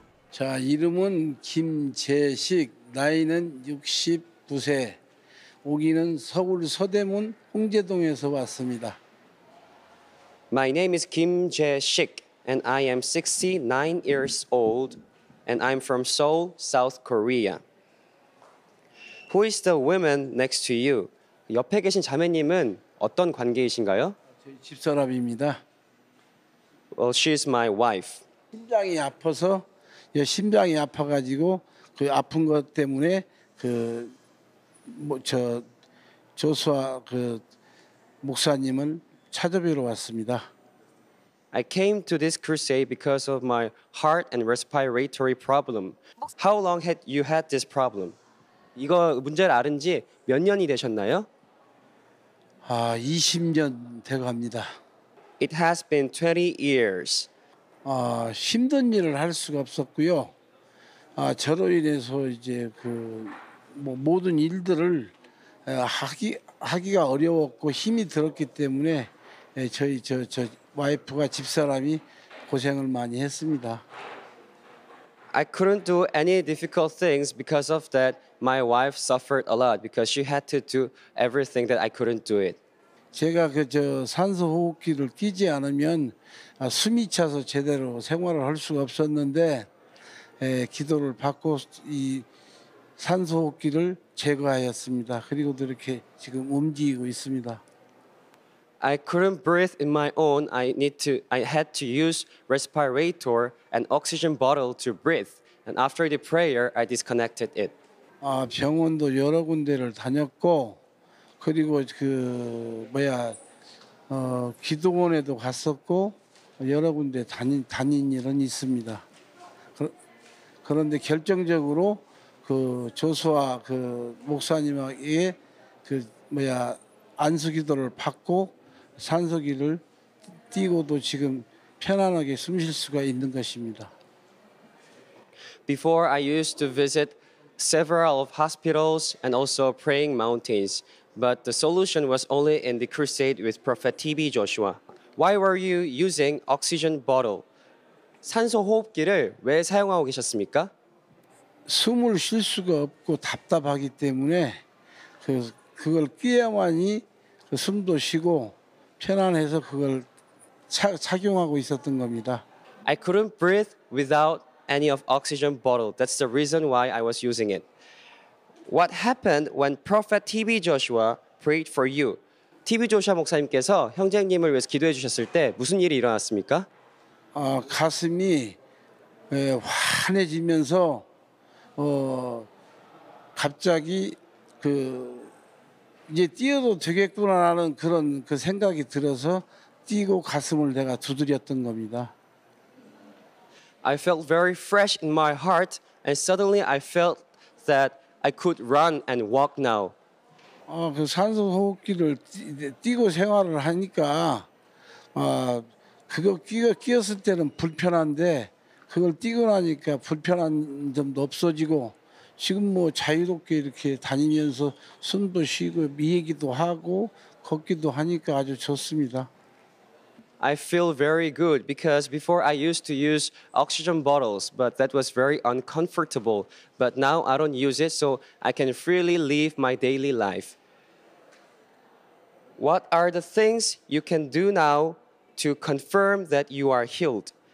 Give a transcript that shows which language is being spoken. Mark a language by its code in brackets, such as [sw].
[ko] 자, 이름은 김재식, 나이는 69세, 오기는 서울 서대문 홍제동에서 왔습니다. [en] My name is Kim Jae-sik, and I am 69 years old, and I'm from Seoul, South Korea. Who is the woman next to you? [ko] 옆에 계신 자매님은 어떤 관계이신가요? 저희 집사람입니다. [en] Well, she is my wife. [ko] 심장이 아파서 심장이 아파가지고 그 아픈 것 때문에 그 뭐 저 조수아 그 목사님을 찾아뵈러 왔습니다. [en] I came to this crusade because of my heart and respiratory problem. How long had you had this problem? [ko] 이거 문제를 아는 지 몇 년이 되셨나요? 아, 20년 돼갑니다. [en] It has been 20 years. [ko] 아, 힘든 일을 할 수가 없었고요. 아, 저로 인해서 이제 그 뭐 모든 일들을 하기가 어려웠고 힘이 들었기 때문에 저희 저 와이프가 집사람이 고생을 많이 했습니다. [en] I couldn't do any difficult things because of that. My wife suffered a lot because she had to do everything that I couldn't do it. [ko] 제가 그 저 산소 호흡기를 끼지 않으면 아, 숨이 차서 제대로 생활을 할 수가 없었는데 에, 기도를 받고 이 산소 호흡기를 제거하였습니다. 그리고 이렇게 지금 움직이고 있습니다. [en] I couldn't breathe in my own. I had to use respirator and oxygen bottle to breathe. And after the prayer, I disconnected it. [ko] 아, 병원도 여러 군데를 다녔고 그리고 그 뭐야 기도원에도 갔었고 여러 군데 다닌 일은 있습니다. 그런데 결정적으로 그 조수아 그 목사님에게 그 뭐야 안수기도를 받고 산소기를 띄고도 지금 편안하게 숨쉴 수가 있는 것입니다. [en] Before I used to visit several of hospitals and also praying mountains, but the solution was only in the crusade with Prophet TB Joshua. Why were you using oxygen bottle? [ko] 산소 호흡기를 왜 사용하고 계셨습니까? 숨을 쉴 수가 없고 답답하기 때문에 그걸 끼야만이 그 숨도 쉬고 편안해서 그걸 착용하고 있었던 겁니다. [en] I couldn't breathe without any of oxygen bottle. That's the reason why I was using it. What happened when Prophet TB Joshua prayed for you? [ko] TB Joshua 목사님께서 형제님을 위해서 기도해 주셨을 때 무슨 일이 일어났습니까? 가슴이 환해지면서 갑자기 이제 뛰어도 되겠구나라는 그런 그 생각이 들어서 뛰고 가슴을 내가 두드렸던 겁니다. [en] I felt very fresh in my heart and suddenly I felt that I could run and walk now. [ko] 그 산소 호흡기를 뛰고 생활을 하니까 그거 끼었을 때는 불편한데 그걸 뛰고 나니까 불편한 점도 없어지고 지금 뭐 자유롭게 이렇게 다니면서 숨도 쉬고 미얘기도 하고 걷기도 하니까 아주 좋습니다. [en] I feel very good because before I used to use oxygen bottles, but that was very uncomfortable. But now I don't use it, so I can freely live my daily life. What are the things you can do now to confirm that you are healed?